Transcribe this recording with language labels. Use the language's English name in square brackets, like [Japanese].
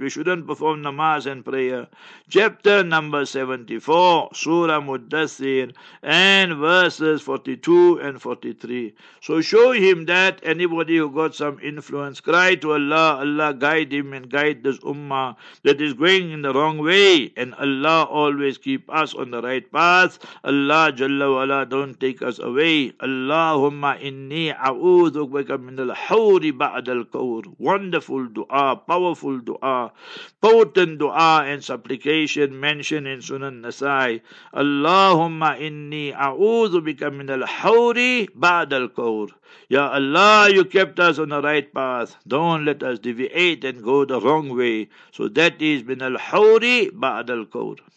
[English] We shouldn't perform namaz and prayer. Chapter number 74, Surah Muddathir, and verses 42 and 43. So show him that anybody who got some influence, cry to Allah, Allah guide him and guide this ummah that is going in the wrong way. And Allah always keep us on the right path. Allah Jalla Wala don't take us away. [Arabic] اللهم إني أعوذ بك من الحور بعد الكور. [English] Wonderful dua, powerful dua, potent dua and supplication mentioned in Sunan Nasai. [Arabic] اللهم إني أعوذ بك من الحور بعد الكور. [English] Ya Allah, you kept us on the right path. Don't let us deviate and go the wrong way. So that is [Arabic] من الحور بعد الكور.